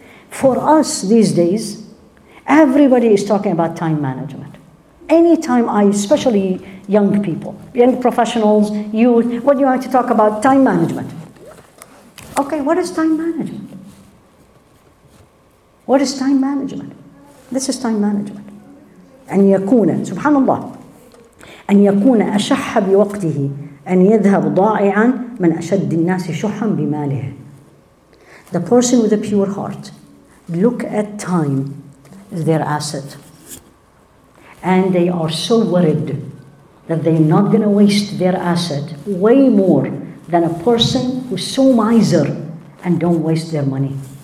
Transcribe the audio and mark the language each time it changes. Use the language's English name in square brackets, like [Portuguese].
[English] For us these days, everybody is talking about time management. Anytime especially young people, young professionals, youth, what do you want to talk about? Time management. Okay, what is time management? What is time management? This is time management. [Arabic] أن يكون, سبحان الله, أن يكون أشح بوقته أن يذهب ضائعا من أشد الناس شحا بماله. [English] The person with a pure heart, look at time as their asset. And they are so worried that they're not going to waste their asset way more than a person who's so miser and don't waste their money.